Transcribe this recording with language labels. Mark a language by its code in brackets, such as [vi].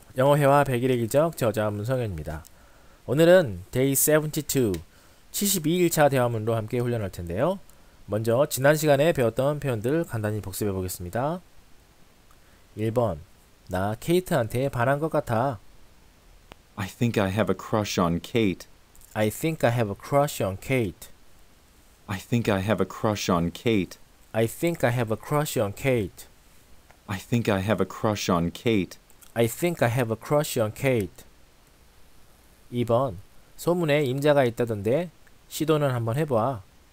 [ko] 영어 회화 100일의 기적 저자 문성현입니다. 오늘은 Day 72, 72일차 대화문으로 함께 훈련할 텐데요. 먼저 지난 시간에 배웠던 표현들 간단히 복습해 보겠습니다. 1번, 나 케이트한테 반한 것 같아. [en] I think I have a crush on Kate. I think I have a crush on Kate. I think I have a crush on Kate. I think I have a crush on Kate. I think I have a crush on Kate. I think I have a crush on Kate. [ko] 2번. 소문에 임자가 있다던데 시도는 한번 해봐.